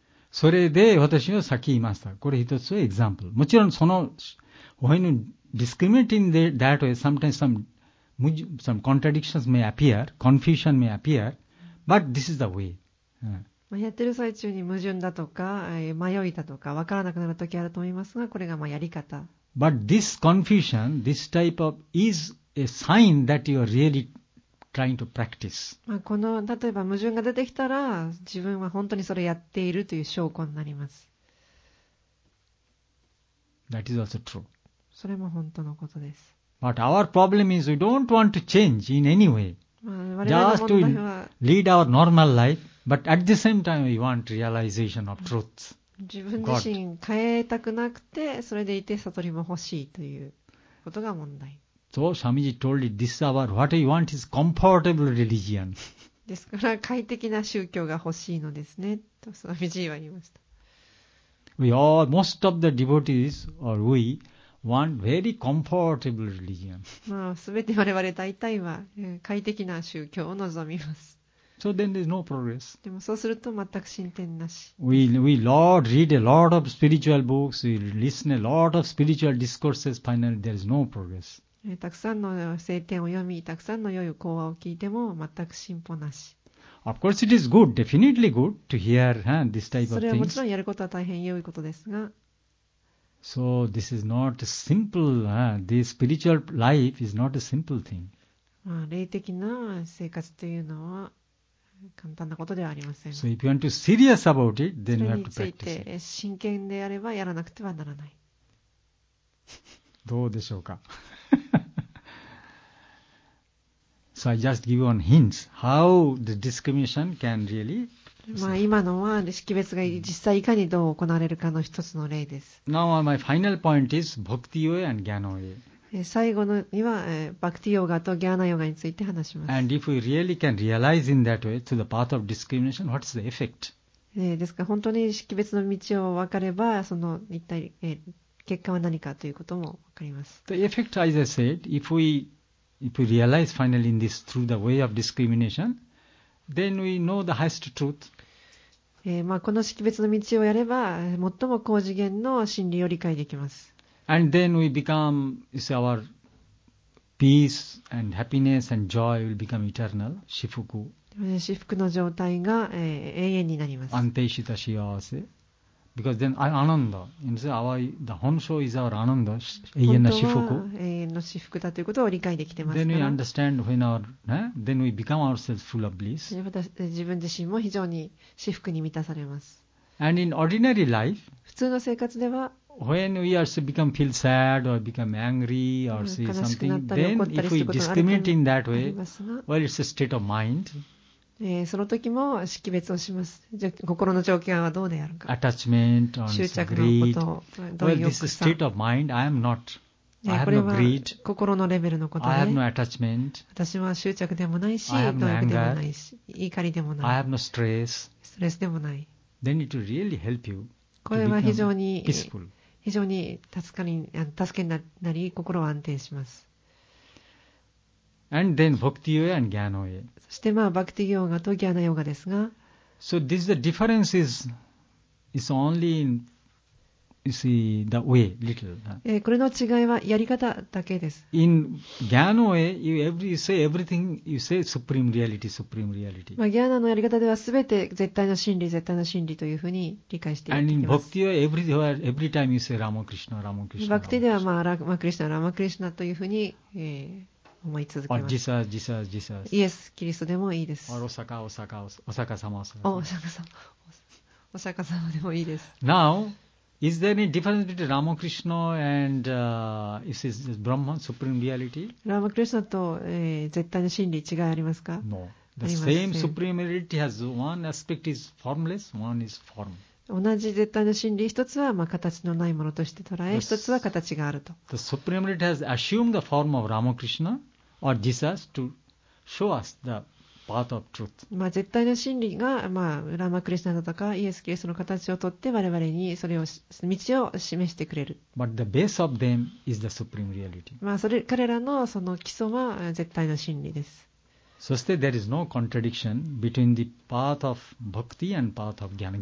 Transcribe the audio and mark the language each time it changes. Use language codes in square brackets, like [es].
[ja] それで私はさっき言いました。これ一つのエグザンプル。もちろんその、 [en] when discriminating that way, sometimes some contradictions may appear, confusion may appear, but this is the way. [ja] まあ、やってる最中に矛盾だとか、迷いだとか、分からなくなるときあると思いますが、これがまあやり方。 [en] But this confusion, this type of, is a sign that you are really trying to practice. [ja] まあ、この、例えば矛盾が出てきたら、自分は本当にそれやっているという証拠になります。 [en] That is also true. [ja] それも本当のことです。 [en] But our problem is we don't want to change in any way. Just to lead our normal life, but at the same time we want realization of truth. [ja] 自分自身変えたくなくて、それでいて悟りも欲しいということが問題。 [en] So Swamiji told it, this is our, what we want is comfortable religion. [ja] ですから快適な宗教が欲しいのですね、と Swamiji は言いました。 [en] We all, most of the devotees, or we, want very comfortable religion. [ja] まあ、すべて我々大体は快適な宗教を望みます。 [en] So then there's no progress. [ja] でもそうすると全く進展なし。 [en] We Lord read a lot of spiritual books, we listen a lot of spiritual discourses, finally there is no progress. [ja] たくさんの聖典を読み、たくさんの良い講話を聞いても全く進歩なし。 [en] Of course, it is good, definitely good to hear this type of things. [ja] それはもちろんやることは大変良いことですが。 [en] So this is not simple. This spiritual life is not a simple thing. [ja] まあ、霊的な生活というのは簡単なことではありません。 [en] So if you want to be serious about it, then you have to practice. [ja] それについて真剣であればやらなくてはならない。どうでしょうか。 [en] So I just give one hints how the discrimination can really. [ja] まあ今のは識別が実際いかにどう行われるかの一つの例です。 [en] Now my final point is bhakti yoga and jnana yoga. [ja] 最後のには bhakti yoga と jnana yoga について話します。 [en] And if we really can realize in that way through the path of discrimination, what's the effect? [ja] ですから本当に識別の道を分かればその一体結果は何かということも分かります。 [en] The effect, as I said, if we realize finally in this through the way of discrimination, then we know the highest truth. [ja] まあこの識別の道をやれば最も高次元の真理を理解できます。 [en] And then we become, you see, our peace and happiness and joy will become eternal. [ja] 至福。至福の状態が永遠になります。安定した幸せ。 [en] Because then ananda, you see, the 本性 is our ananda, [ja] 永遠の至福。本当は永遠の至福だということを理解できてますから。 [en] Then we understand when our, then we become ourselves full of bliss. [ja] 自分自身も非常に至福に満たされます。 [en] And in ordinary life, [ja] 普通の生活では、 [en] when we also become feel sad or become angry or say something, then if we discriminate in that way, well, it's a state of mind. [ja] その時も識別をします。心の状況はどうであるか。 [en] Attachment, [ja] 執着のことをどういうことか。 [en] Well, this state of mind, I am not. I have no greed. [ja] これは心のレベルのことで。 [en] I have no attachment. [ja] 私は執着でもないし、貪欲でもないし、怒りでもない。 [en] I have no stress. [ja] ストレスでもない。 [en] Then it will really help you. [ja] これは非常に助けになり、心は安定します。 [en] And then bhakti yoga and jnana yoga. [ja] そしてまあ、bhakti yoga と jnana yoga ですが。 [en] So this is the difference is It's only in, you see, the way, little. [ja] これの違いはやり方だけです。 [en] In Gyana way, you, every, you say everything, you say supreme reality, supreme reality. [ja] まあ、Gyanaのやり方ではすべて絶対の真理、絶対の真理というふうに理解していきます。 [en] And in Bhakti は every time you say Rama Krishna, Rama Krishna. [ja] Bhakti では、まあ、Rama Krishna, Rama Krishna というふうに、思い続けます。 [en] Or Jesus, Jesus, Jesus. [ja] イエス、キリストでもいいです。 [en] Or Osaka, Osaka, Osaka 様、 [ja] Osaka 様。Osaka 様。お釈迦様でもいいです。 [en] Now, is there any difference between Ramakrishna and is this Brahman, Supreme Reality? [ja] Ramakrishna と、絶対の真理違いありますか [en] ？No. The same Supreme Reality has one aspect is formless, one is form. [ja] 同じ絶対の真理、一つは、まあ、形のないものとして捉え、一つは形があると。 [en] The Supreme Reality has assumed the form of Ramakrishna or Jesus to show us the. [ja] まあ、絶対の真理が、まあ、ラマクリスナだとかイエス・キリストの形をとって我々にそれを道を示してくれる。 [en] But the base of them is the supreme reality. [ja] まあ、それ彼らのその基礎は絶対の真理です。 [en] そして、there is no contradiction between the path of bhakti and path of jnana.